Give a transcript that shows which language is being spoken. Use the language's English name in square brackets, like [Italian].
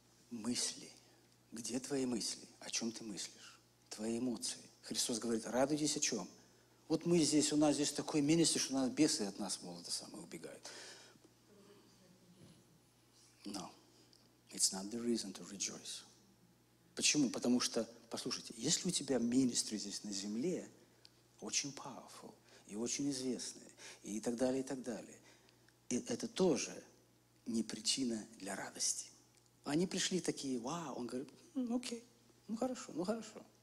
[Russian] Мысли. Где твои мысли? О чем ты мыслишь? Твои эмоции. Христос говорит, радуйтесь о чем? Вот мы здесь, у нас здесь такой министр, что у нас бесы от нас, мол, это самое, убегают. [English] No. It's not the reason to rejoice. [Russian] Почему? Потому что, послушайте, если у тебя министр здесь на земле, очень powerful, и очень известные, и так далее, и так далее. И это тоже не причина для радости. Они пришли такие, вау, он говорит, окей, ну хорошо.